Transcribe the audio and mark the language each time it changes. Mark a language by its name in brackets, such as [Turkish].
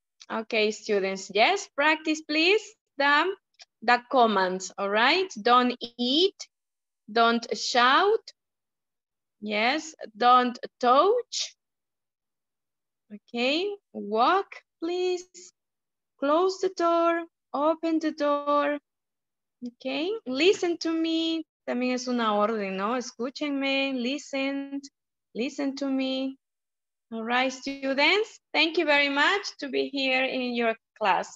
[English] Okay, students, yes, practice, please, the commands, all right? Don't eat, don't shout, yes, don't touch, okay? Walk, please, close the door, open the door, okay? Listen to me, [Spanish] también es una orden, ¿no? [English] Escúchenme, listen, listen to me. All right, students, thank you very much to be here in your class.